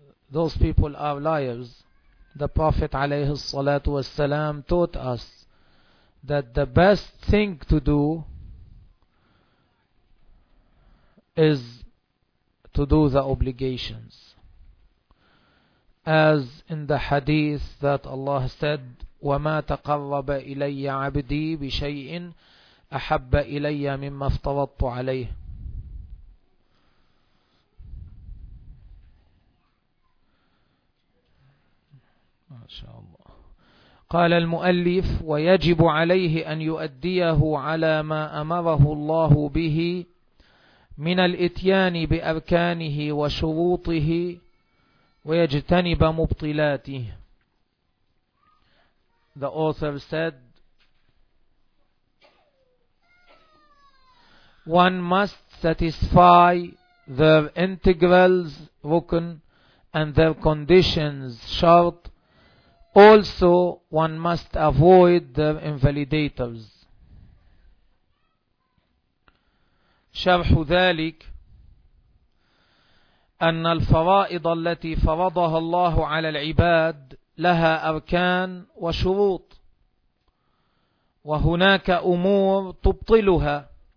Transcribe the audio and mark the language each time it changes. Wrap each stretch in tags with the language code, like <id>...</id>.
<en>Those people are liars. The Prophet عليه الصلاة والسلام taught us that the best thing to do is to do the obligations. As in the hadith that Allah said,</en> <ar>وَمَا تَقَرَّبَ إِلَيَّ عَبْدِي بِشَيْءٍ أَحَبَّ إِلَيَّ مِمَّا افْتَرَضْتُ عَلَيْهِ. Uh, شاء الله. قال المؤلف: ويجب عليه أن يؤديه على ما أمره الله به من الإتيان بأركانه وشروطه ويجتنب مبطلاته.</ar> <en>The author said, one must satisfy their integrals, rukun, and their conditions, shart. Also, one must avoid their invalidators.</en> <ar>شرح ذلك أن الفرائض التي فرضها الله على العباد لها أركان وشروط، وهناك أمور تبطلها.</ar>